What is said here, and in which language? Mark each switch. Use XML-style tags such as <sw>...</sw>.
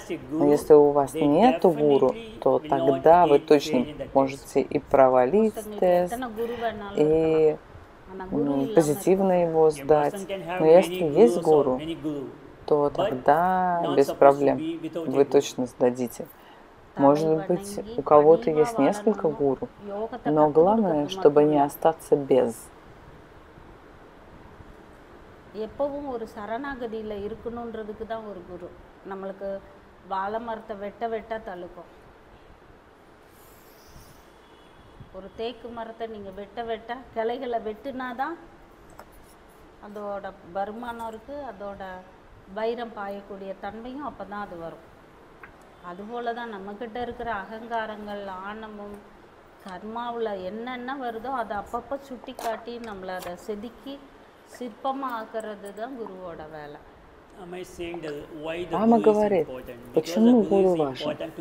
<ru>Но если у вас нету гуру, то тогда вы точно можете и провалить тест, и позитивно его сдать. Но если есть гуру, то тогда без проблем вы точно сдадите. Может быть, у кого-то есть несколько гуру, но главное, чтобы не остаться без.</ru> <ta>எப்பவும் ஒரு சரணாகதியில் இருக்கணுன்றதுக்கு தான் ஒரு குரு நம்மளுக்கு வாழை மரத்தை வெட்ட வெட்ட தழுக்கும் ஒரு தேக்கு மரத்தை நீங்கள் வெட்ட வெட்ட கிளைகளை வெட்டுனாதான் அதோட வருமானம் இருக்குது அதோட வைரம் பாயக்கூடிய தன்மையும் அப்போ தான் அது வரும் அதுபோல தான் நம்மக்கிட்ட இருக்கிற அகங்காரங்கள் ஆணவம் கர்மாவில் என்னென்ன வருதோ அதை அப்பப்போ சுட்டி காட்டி நம்மளை அதை செதுக்கி</ta> <ru>Амма говорит, почему гуру важен?</ru>